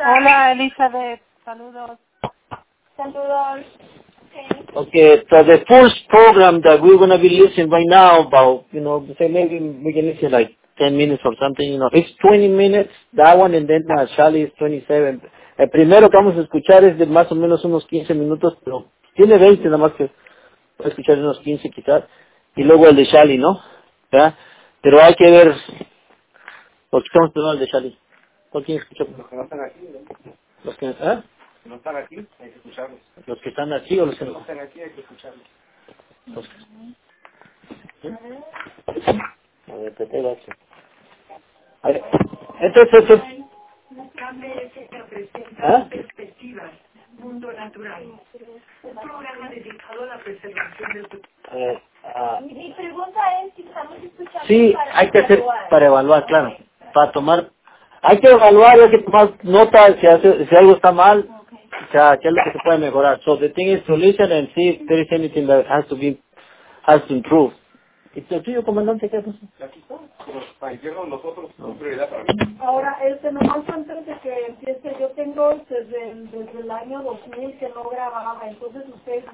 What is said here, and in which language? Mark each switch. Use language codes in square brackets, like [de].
[es] Hola Elizabeth, saludos. Saludos. Okay. [en] Okay, so the first program that we're going to be listening right now about, you know, say maybe we can listen like 10 minutes or something, you know, it's 20 minutes, that one, and then Charlie is 27. [es] El primero que vamos a escuchar es de más o menos unos 15 minutos, pero tiene 20 nada más que escuchar unos 15 quizás, y luego el de Charlie, ¿no? ¿Ya? Pero hay que ver, porque estamos esperando el de Shali. ¿Por quién escuchó? Los que no están aquí, ¿no? ¿Los que, no están aquí, hay que escucharlos. ¿Los que están aquí o los que no? Los que están aquí, hay que escucharlos. Los que... ¿Eh? A ver, Pepe, gracias. A ver, entonces... El cambio es que se presenta perspectivas, mundo natural. Un programa dedicado a la preservación del... Mi pregunta es si estamos escuchando. Sí, para hay que evaluar. Hacer para evaluar, claro. Okay. Para tomar. Hay que evaluar, hay que tomar nota si algo está mal. Okay. O sea, qué es lo que se puede mejorar. [en] So, the thing is to listen and see if there is anything that has to improve. [es] ¿Y el tuyo, comandante, qué pasó? Aquí está. Pero para llegar a nosotros, no es prioridad para mí. Ahora, nomás antes de que empiece, yo tengo desde el año 2000 que no grababa, entonces ustedes...